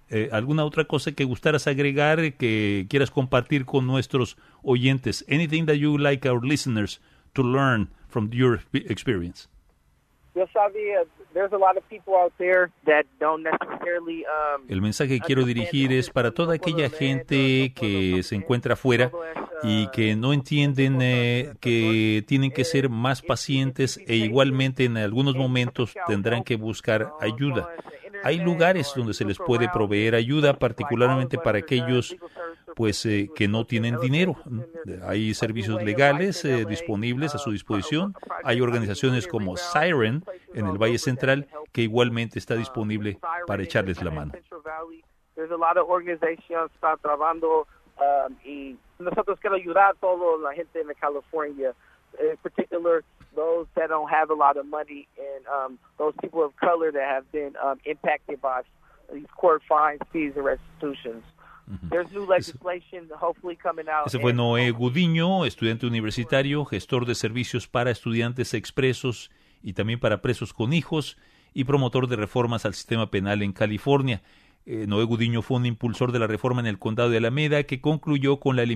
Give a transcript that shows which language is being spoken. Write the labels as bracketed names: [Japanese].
[Spanish] ¿Alguna otra cosa que gustaras agregar, que quieras compartir con nuestros oyentes? [English] Anything that you like our listeners to learn from your experience? There's a lot of people out there that don't necessarily. [Spanish] El mensaje que quiero dirigir es para toda aquella gente que se encuentra afuera y que no entienden que tienen que ser más pacientes e igualmente en algunos momentos tendrán que buscar ayuda. Hay lugares donde se les puede proveer ayuda, particularmente para aquellos que no tienen dinero. Hay servicios legales disponibles a su disposición. Hay organizaciones como Siren en el Valle Central que igualmente está disponible para echarles la mano. [English] There's a lot of organizations [Spanish] que están trabajando y nosotros queremos ayudar a toda la gente en California, en particular [English] those that don't have a lot of money and those people of color that have been impacted by these court fines, fees and restitutions. There's new legislation hopefully coming out. [Spanish] Ese fue Noé Gudiño, estudiante universitario, gestor de servicios para estudiantes expresos y también para presos con hijos y promotor de reformas al sistema penal en California. Noé Gudiño fue un impulsor de la reforma en el condado de Alameda que concluyó con la eliminación de una serie de cargos que se cobran al condenado de delito